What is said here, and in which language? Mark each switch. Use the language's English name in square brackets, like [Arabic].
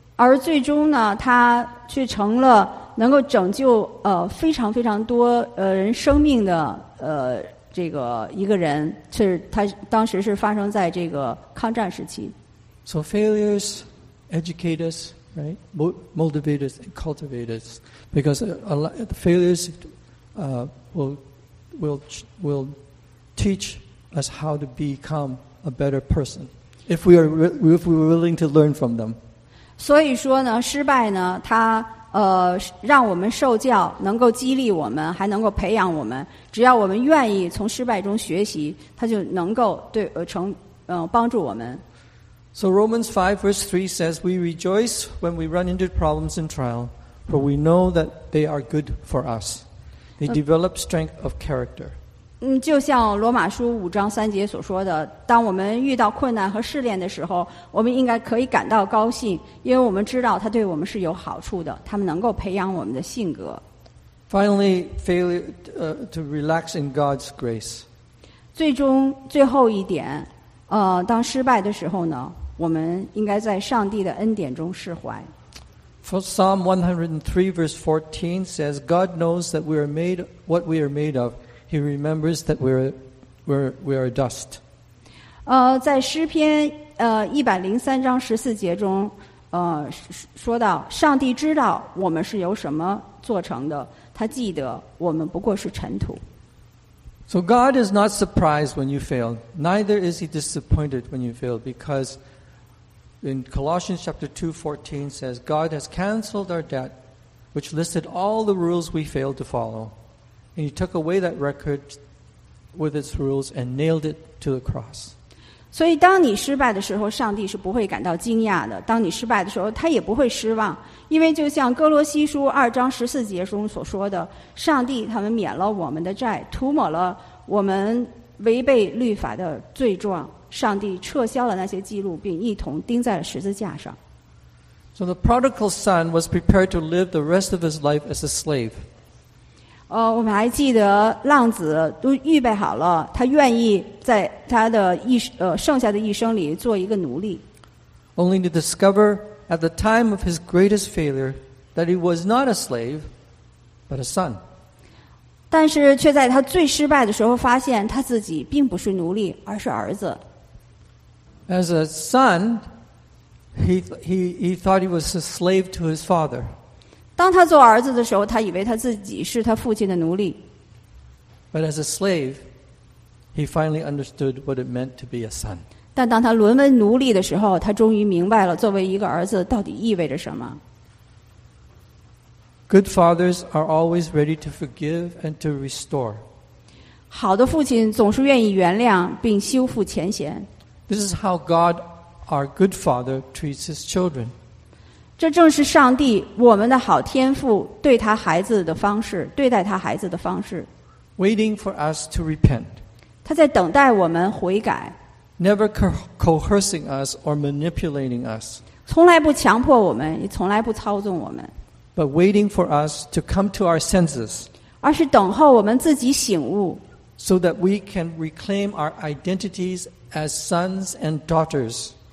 [Chinese] 而最终呢，他却成了能够拯救非常非常多人生命的这个一个人，是他当时是发生在这个抗战时期。 [English] So failures educate us, right? Motivate us and cultivate us, because failures will teach us how to become. A better person, if we were willing to learn from them. [Chinese] 所以说呢，失败呢，它让我们受教，能够激励我们，还能够培养我们。只要我们愿意从失败中学习，它就能够对成帮助我们。 [English] So Romans 5 verse 3 says, We rejoice when we run into problems and trial, for we know that they are good for us. They develop strength of character. [Chinese] 就像罗马书五章三节所说的，当我们遇到困难和试炼的时候，我们应该可以感到高兴，因为我们知道它对我们是有好处的，它们能够培养我们的性格。 [English] Finally, failure to relax in God's grace. [Chinese] 最后一点，当失败的时候呢，我们应该在上帝的恩典中释怀。 [English] For Psalm 103 verse 14 says, God knows that we are made what we are made of. He remembers that we are dust. [Chinese] 在诗篇103章14节中，说到上帝知道我们是由什么做成的，他记得我们不过是尘土。 [English] So God is not surprised when you fail, neither is he disappointed when you fail, because in Colossians chapter 2:14 says, God has canceled our debt, which listed all the rules we failed to follow. And he took away that record with its rules and nailed it to the cross. [Chinese] 所以当你失败的时候，上帝是不会感到惊讶的。当你失败的时候，他也不会失望。因为就像哥罗西书二章十四节中所说的，上帝他们免了我们的债，涂抹了我们违背律法的罪状。上帝撤销了那些记录，并一同钉在了十字架上。 [English] So the prodigal son was prepared to live the rest of his life as a slave. [Chinese] 我们还记得浪子都预备好了，他愿意在他的剩下的一生里做一个奴隶。 [English] Only to discover at the time of his greatest failure that he was not a slave, but a son. [Chinese] 但是却在他最失败的时候发现他自己并不是奴隶，而是儿子。 [English] As a son, he thought he was a slave to his father. [Chinese] 当他做儿子的时候，他以为他自己是他父亲的奴隶。 [English] But as a slave, he finally understood what it meant to be a son. [Chinese] 但当他沦为奴隶的时候，他终于明白了作为一个儿子到底意味着什么。 [English] Good fathers are always ready to forgive and to restore. [Chinese] 好的父亲总是愿意原谅并修复前嫌。 [English] This is how God, our good father, treats his children. [Chinese] 这正是上帝我们的好天父对他孩子的方式，对待他孩子的方式。 [English] Waiting for us to repent. [Chinese] 他在等待我们悔改。 [English] Never coercing us or manipulating us. [Chinese] 从来不强迫我们，也从来不操纵我们。 [English] But waiting for us to come to our senses. [Chinese] 而是等候我们自己醒悟。 [English] So that we can reclaim our identities as sons and daughters.